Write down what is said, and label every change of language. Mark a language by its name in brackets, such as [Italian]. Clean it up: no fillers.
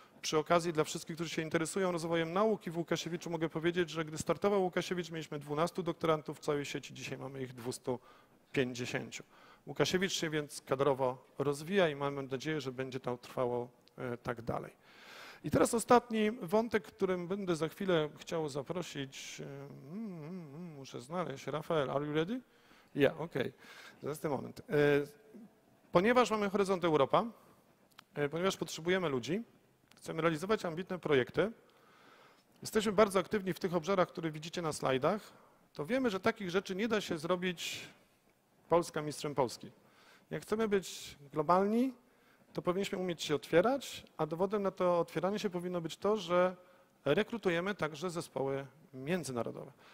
[Polish] Przy okazji dla wszystkich, którzy się interesują rozwojem nauki w Łukasiewiczu, mogę powiedzieć, że gdy startował Łukasiewicz, mieliśmy 12 doktorantów w całej sieci, dzisiaj mamy ich 250. Łukasiewicz się więc kadrowo rozwija i mamy nadzieję, że będzie to trwało tak dalej. I teraz ostatni wątek, którym będę za chwilę chciał zaprosić, muszę znaleźć, Rafael, [English] are you ready? Yeah, okay, that's the moment. [Polish] Ponieważ mamy horyzont Europa, ponieważ potrzebujemy ludzi, chcemy realizować ambitne projekty, jesteśmy bardzo aktywni w tych obszarach, które widzicie na slajdach, to wiemy, że takich rzeczy nie da się zrobić Polska mistrzem Polski. Jak chcemy być globalni, to powinniśmy umieć się otwierać, a dowodem na to otwieranie się powinno być to, że rekrutujemy także zespoły międzynarodowe.